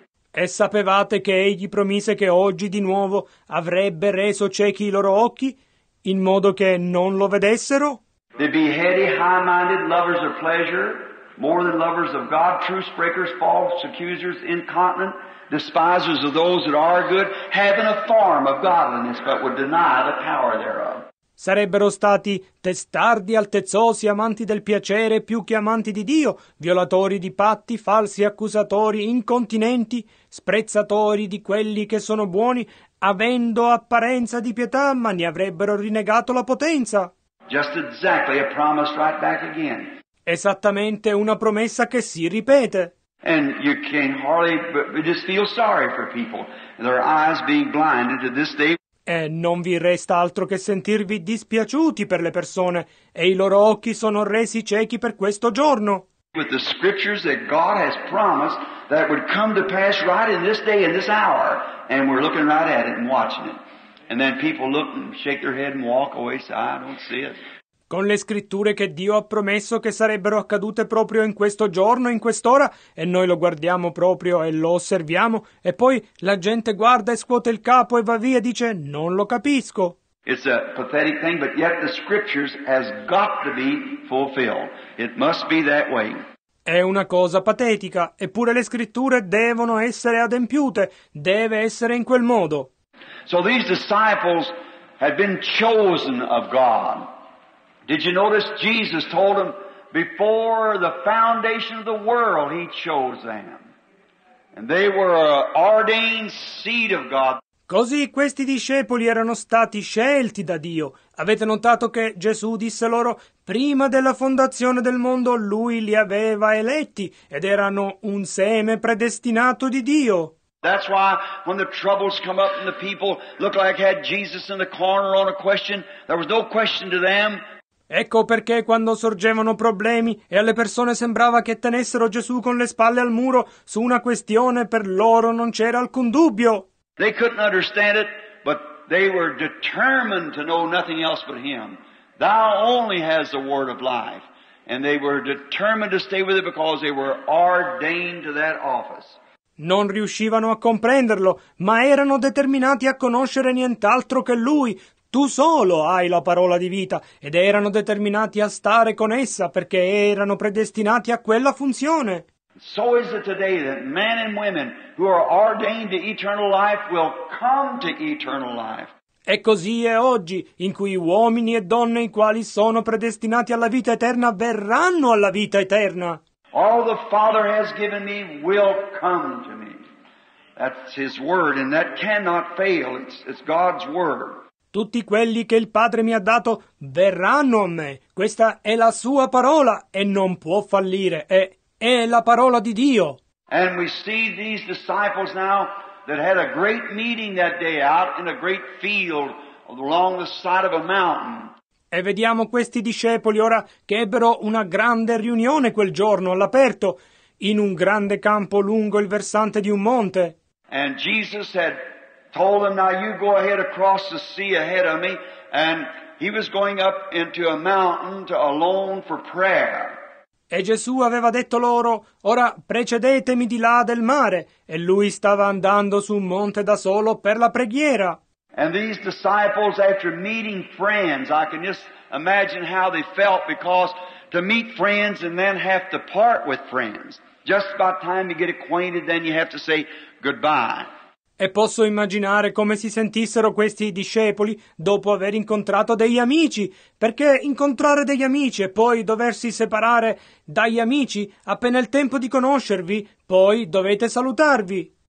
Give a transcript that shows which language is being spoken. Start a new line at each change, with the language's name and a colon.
Italian: E sapevate che egli promise che oggi di nuovo avrebbe reso ciechi i loro occhi, in modo che non lo vedessero?
English: They'd be heady, high-minded, lovers of pleasure, more than lovers of God, truce-breakers, false accusers, incontinent, despisers of those that are good, having a form of godliness, but would deny the power thereof.
Italian: Sarebbero stati testardi, altezzosi, amanti del piacere più che amanti di Dio, violatori di patti, falsi accusatori, incontinenti, sprezzatori di quelli che sono buoni, avendo apparenza di pietà, ma ne avrebbero rinnegato la potenza.
English: Just exactly a promise right back again.
Italian: Esattamente una promessa che si ripete.
English: And you can hardly but just feel sorry for people, their eyes being blinded to this day.
Italian: E non vi resta altro che sentirvi dispiaciuti per le persone, e i loro occhi sono resi ciechi per questo giorno.
English: With the scriptures that God has promised that would come to pass right in this day, in this hour, and we're looking right at it and watching it. And then people look and shake their head and walk away, say, I don't see it.
Italian: Con le scritture che Dio ha promesso che sarebbero accadute proprio in questo giorno, in quest'ora, e noi lo guardiamo proprio e lo osserviamo, e poi la gente guarda e scuote il capo e va via e dice, non lo capisco.
English: It's a pathetic thing, but yet the scriptures has got to be fulfilled. It must be that way.
Italian: È una cosa patetica, eppure le scritture devono essere adempiute, deve essere in quel modo.
English: So these disciples had been chosen of God. Did you notice Jesus told them, before the foundation of the world, he chose them. And they were an ordained seed of God.
Italian: Così questi discepoli erano stati scelti da Dio. Avete notato che Gesù disse loro, prima della fondazione del mondo, lui li aveva eletti, ed erano un seme predestinato di Dio.
English: That's why when the troubles come up and the people look like had Jesus in the corner on a question, there was no question to them.
Italian: Ecco perché quando sorgevano problemi e alle persone sembrava che tenessero Gesù con le spalle al muro su una questione, per loro non c'era alcun dubbio.
English: They couldn't understand it, but they were determined to know nothing else but him. Thou only has the word of life. And they were determined to stay with it because they were ordained to that office.
Italian: Non riuscivano a comprenderlo, ma erano determinati a conoscere nient'altro che lui. Tu solo hai la parola di vita, ed erano determinati a stare con essa, perché erano predestinati a quella funzione.
English: So is it today that men and women who are ordained to eternal life will come to eternal life.
Italian: E così è oggi, in cui uomini e donne i quali sono predestinati alla vita eterna verranno alla vita eterna.
English: All the Father has given me will come to me. That's His word, and that cannot fail. It's God's word.
Italian: Tutti quelli che il Padre mi ha dato verranno a me. Questa è la sua parola e non può fallire. È la parola di Dio.
English: And we see these disciples now that had a great meeting that day out in a great field along the side of a mountain.
Italian: E vediamo questi discepoli ora che ebbero una grande riunione quel giorno all'aperto in un grande campo lungo il versante di un monte.
English: And Jesus said, told them, now you go ahead across the sea ahead of me, and he was going up into a mountain to alone for prayer.
Italian: E Gesù aveva detto loro, ora precedetemi di là del mare, e lui stava andando su un monte da solo per la preghiera.
English: And these disciples, after meeting friends, I can just imagine how they felt, because to meet friends and then have to part with friends, just about time to get acquainted, then you have to say goodbye.
Italian: E posso immaginare come si sentissero questi discepoli dopo aver incontrato degli amici, perché incontrare degli amici e poi doversi separare dagli amici appena è il tempo di conoscervi, poi dovete salutarvi.